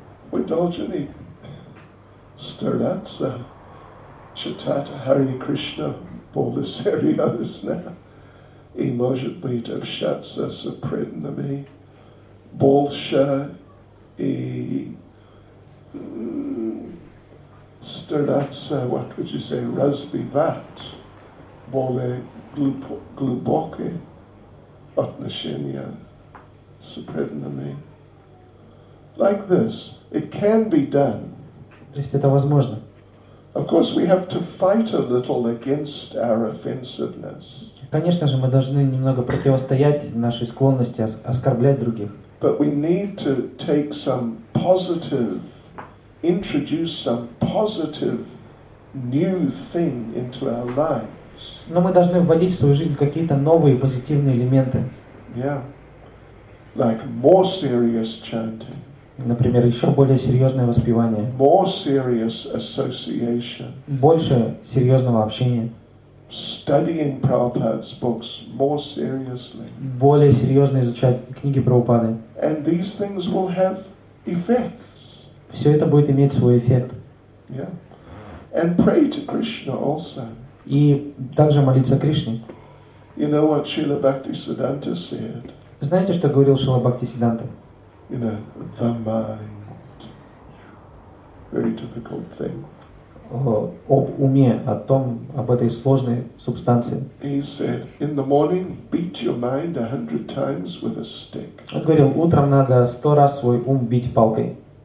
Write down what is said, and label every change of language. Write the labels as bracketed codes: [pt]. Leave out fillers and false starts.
[en] We [ru] должны стараться читать Hare Krishna более серьезно и, может быть, общаться с преданными больше и стараться, [en] what would you say, [ru] развивать более глубокие отношения с преданными. [en] Like this. It can be done. [ru] То есть это возможно. [en] Of course, we have to fight a little against our offensiveness. [ru] Конечно же, мы должны немного противостоять нашей склонности оскорблять других. [en] But we need to take some positive introduce some positive new thing into our lives. [ru] Но мы должны вводить в свою жизнь какие-то новые позитивные элементы. [en] Yeah. Like more serious chanting. [ru] Например, еще более серьезное воспевание. [en] More serious association. [ru] Больше серьезного общения. [en] studying Prabhupada's books more seriously. [ru] Более серьезно изучать книги Прабхупады. [en] And these things will have effects. [ru] Все это будет иметь свой эффект. [en] Yeah. And pray to Krishna also. [ru] И также молиться Кришне. [en] You know what Srila Bhaktisiddhanta said? [ru] Знаете, что говорил Шрила Бхактисиддханта? [en] You know, the mind. Very difficult thing. [ru] Об уме, о том, об этой сложной субстанции. [en] He said, in the morning, beat your mind 100 times with a stick. [ru] Он говорил, утром надо 100 раз свой ум бить палкой.